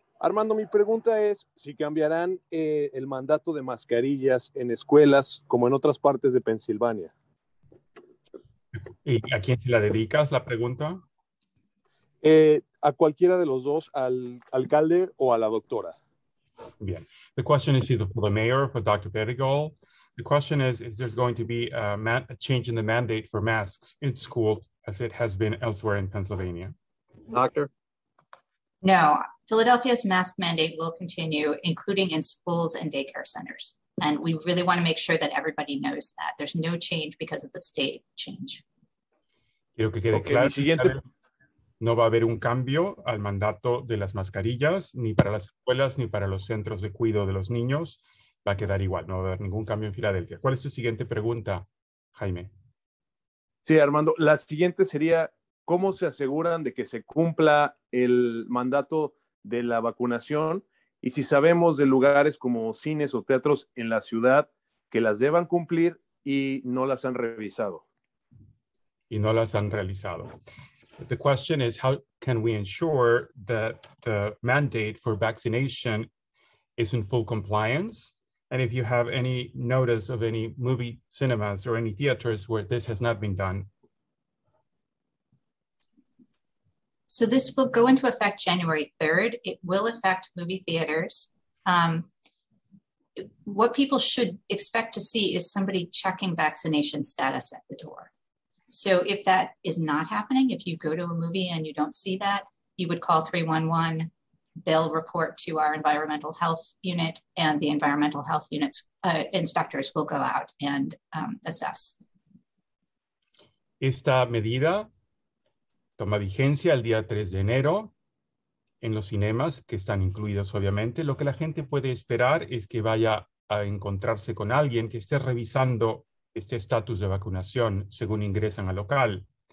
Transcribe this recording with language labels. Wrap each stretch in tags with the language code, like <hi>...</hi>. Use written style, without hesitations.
<es>Armando, mi pregunta es si cambiarán el mandato de mascarillas en escuelas como en otras partes de Pensilvania. ¿Y a quién se la dedicas la pregunta? A cualquiera de los dos, al alcalde o a la doctora. Bien.</es> <en>The question is either for the mayor or for Dr. Bedigal. The question is there going to be a change in the mandate for masks in school as it has been elsewhere in Pennsylvania? Doctor? No, Philadelphia's mask mandate will continue, including in schools and daycare centers. And we really want to make sure that everybody knows that. There's no change because of the state change.</en> <es>Quiero que quede claro. No va a haber un cambio al mandato de las mascarillas, ni para las escuelas, ni para los centros de cuidado de los niños. Va a quedar igual, no va a haber ningún cambio en Filadelfia. ¿Cuál es tu siguiente pregunta, Jaime? Sí, Armando, la siguiente sería, ¿cómo se aseguran de que se cumpla el mandato de la vacunación? Y si sabemos de lugares como cines o teatros en la ciudad que las deban cumplir y no las han revisado. Y no las han realizado.</es> <en>The question is, how can we ensure that the mandate for vaccination is in full compliance? And if you have any notice of any movie cinemas or any theaters where this has not been done? So this will go into effect January 3rd. It will affect movie theaters. What people should expect to see is somebody checking vaccination status at the door. So if that is not happening, if you go to a movie and you don't see that, you would call 311. They'll report to our environmental health unit, and the environmental health unit's inspectors will go out and assess.</en> <es>Esta medida toma vigencia el día 3 de enero en los cinemas, que están incluidos obviamente. Lo que la gente puede esperar es que vaya a encontrarse con alguien que esté revisando este estatus de vacunación según ingresan al local.</es>